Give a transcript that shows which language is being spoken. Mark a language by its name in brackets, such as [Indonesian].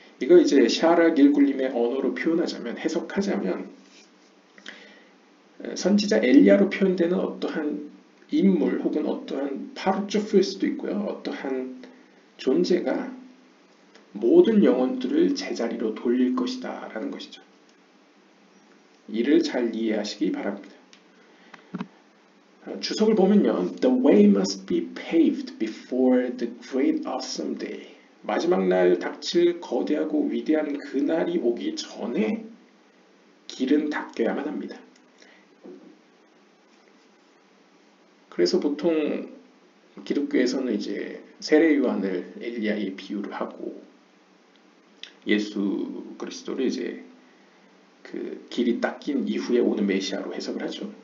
[Korean] 이거 이제 샤라 길굴림의 언어로 표현하자면, 해석하자면 선지자 엘리야로 표현되는 어떠한 인물 혹은 어떠한 파르초프일 수도 있고요. 어떠한 존재가 모든 영혼들을 제자리로 돌릴 것이다 라는 것이죠. 이를 잘 이해하시기 바랍니다. 주석을 보면요. [English] The way must be paved before the great awesome day. [Korean] 마지막 날 닥칠 거대하고 위대한 그날이 오기 전에 길은 닦여야만 합니다. 그래서 보통 기독교에서는 이제 세례요한을 엘리야의 비유를 하고 예수 그리스도를 이제 그 길이 닦인 이후에 오는 메시아로 해석을 하죠.